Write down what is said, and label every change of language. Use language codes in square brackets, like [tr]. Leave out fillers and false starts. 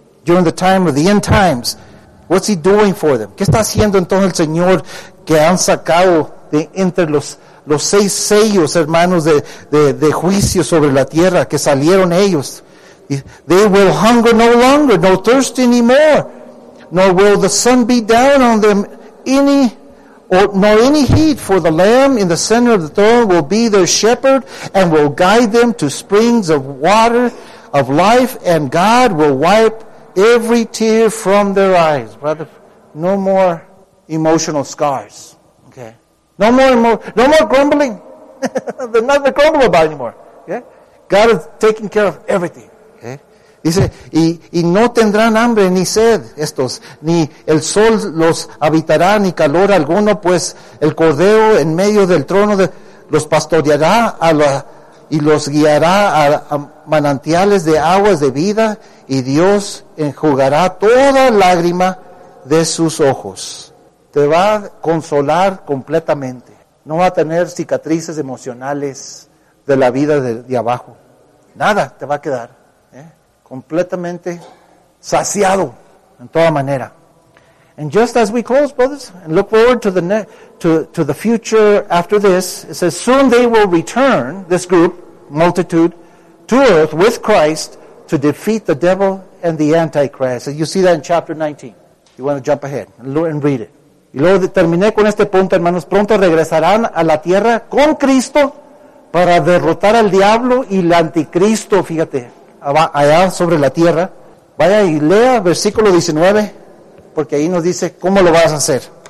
[en] During the time of the end times. What's he doing for them? [es] ¿Qué está haciendo entonces el Señor que han sacado de entre los seis sellos, hermanos, de juicio sobre la tierra que salieron ellos? [en] They will hunger no longer, no thirst anymore, nor will the sun be down on them any or nor any heat, for the Lamb in the center of the throne will be their shepherd and will guide them to springs of water of life, and God will wipe every tear from their eyes. Brother, no more emotional scars. Okay. No more grumbling. They're not going to grumble about it anymore. Okay? God is taking care of everything. [es] Dice, y no tendrán hambre ni sed estos, ni el sol los habitará, ni calor alguno, pues el cordero en medio del trono los pastoreará y los guiará a manantiales de aguas de vida, y Dios enjugará toda lágrima de sus ojos. Te va a consolar completamente. No va a tener cicatrices emocionales de la vida de abajo. Nada te va a quedar. Completamente saciado en toda manera. [en] And just as we close, brothers, and look forward to the future after this, it says, soon they will return, this group, multitude, to earth with Christ to defeat the devil and the Antichrist. And you see that in chapter 19. You want to jump ahead and read it. [es] Y luego terminé con este punto, hermanos. Pronto regresarán a la tierra con Cristo para derrotar al diablo y el anticristo, fíjate. Allá sobre la tierra, vaya y lea versículo 19, porque ahí nos dice cómo lo vas a hacer.